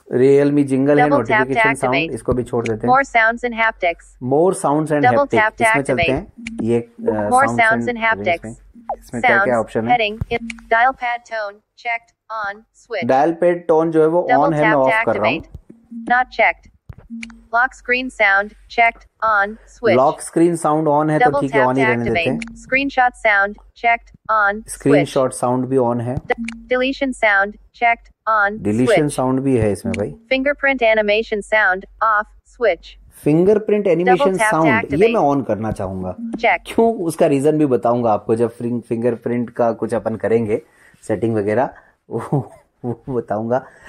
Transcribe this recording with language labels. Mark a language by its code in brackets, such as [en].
[hi] Realme jingle है, notification sound इसको भी छोड़ देते हैं. [en] more sounds and haptics, more sounds and haptics [hi] इसमें चलते हैं. ये [en] more sounds and haptics [hi] इसमें क्या क्या ऑप्शन है. [en] heading dial pad tone checked on switch, [hi] dial pad tone जो है वो ऑन है, मैं ऑफ कर रहा हूं. [en] Not checked. Lock screen sound checked on switch. [hi] Lock screen sound on है तो ठीक है, on ही रहने देते हैं. [en] Screenshot sound checked on switch. [hi] Screenshot sound भी on है. [en] Deletion sound checked on switch. [hi] Deletion sound भी है इसमें भाई. [en] Fingerprint animation sound off switch. [hi] Fingerprint animation sound ये मैं on करना चाहूंगा. [en] Check. [hi] क्यों, उसका reason भी बताऊंगा आपको जब fingerprint का कुछ अपन करेंगे setting वगैरह वो बताऊंगा.